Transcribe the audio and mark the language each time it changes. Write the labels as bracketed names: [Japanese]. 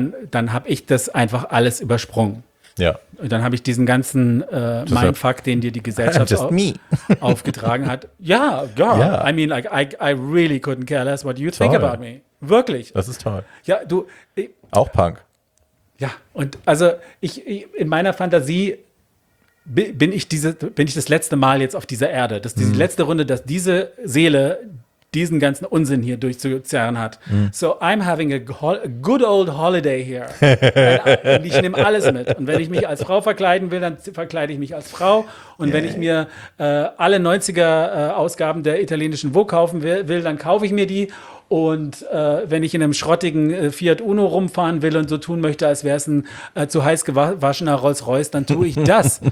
[German] Dann habe ich das einfach alles übersprungen. Ja. Und dann habe ich diesen ganzen Mindfuck, den dir die Gesellschaft aufgetragen hat. Ja, girl. [English] Yeah. I mean, like, I really couldn't care less what you toll. Think about me. [German] Wirklich. Das ist toll. Ja, du. Auch Punk. Ja, und also ich in meiner Fantasie bin ich das letzte Mal jetzt auf dieser Erde. Das ist die letzte Runde, dass diese Seele diesen ganzen Unsinn hier durchzuzerren hat. Mm. [English] So I'm having a good old holiday here. [German] Und ich nehme alles mit. Und wenn ich mich als Frau verkleiden will, dann verkleide ich mich als Frau. Und wenn ich mir alle 90er-Ausgaben der italienischen Vogue kaufen will, dann kaufe ich mir die. Und wenn ich in einem schrottigen Fiat Uno rumfahren will und so tun möchte, als wäre es ein zu heiß gewaschener Rolls-Royce, dann tue ich das.